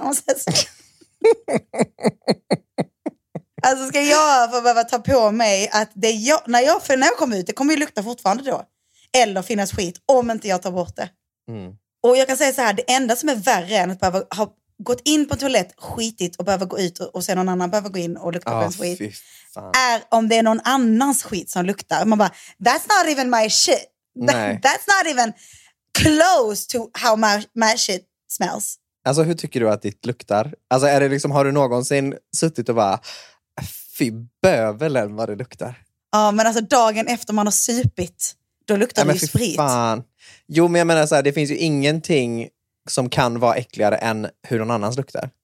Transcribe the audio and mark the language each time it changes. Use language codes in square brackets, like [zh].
[sv] Och sen så, alltså ska jag få behöva ta på mig att det jag, när jag, för när jag kommer ut, det kommer ju lukta fortfarande då. Eller finnas skit om inte jag tar bort det. Mm. Och jag kan säga så här, det enda som är värre än att behöva ha gått in på toalett skitigt och behöver gå ut och se någon annan behöver gå in och lukta på en skit, är om det är någon annans skit som luktar. Man bara, [en] that's not even my shit. That's not even close to how my shit smells. [sv] Alltså hur tycker du att ditt luktar? Alltså är det liksom, har du någonsin suttit och bara, fy bövelen vad det luktar? Ja, men alltså dagen efter man har supit, då luktar det ju sprit. Fan. Jo, men jag menar så här, det finns ju ingenting som kan vara äckligare än hur någon annans luktar.